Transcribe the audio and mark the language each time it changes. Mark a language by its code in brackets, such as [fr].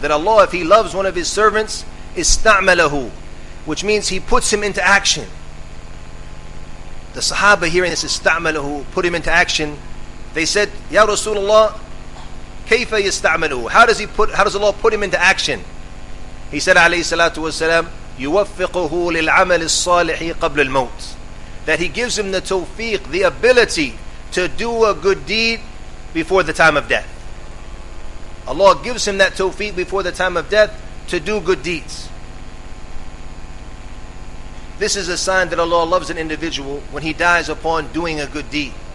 [en] That Allah, if He loves one of His servants, إِسْتَعْمَلَهُ, which means He puts him into action. The Sahaba hearing this, إِسْتَعْمَلَهُ, put him into action, they said, [ar] يَا رَسُولَ اللَّهِ كَيْفَ يَسْتَعْمَلُهُ. [en] How does Allah put him into action? He said, [ar] عليه الصلاة والسلام, يُوَفِّقُهُ لِلْعَمَلِ الصَّالِحِ قَبْلِ الْمَوْتِ. [en] That He gives him the tawfiq, the ability to do a good deed before the time of death. Allah gives him that tawfiq before the time of death to do good deeds. This is a sign that Allah loves an individual when he dies upon doing a good deed.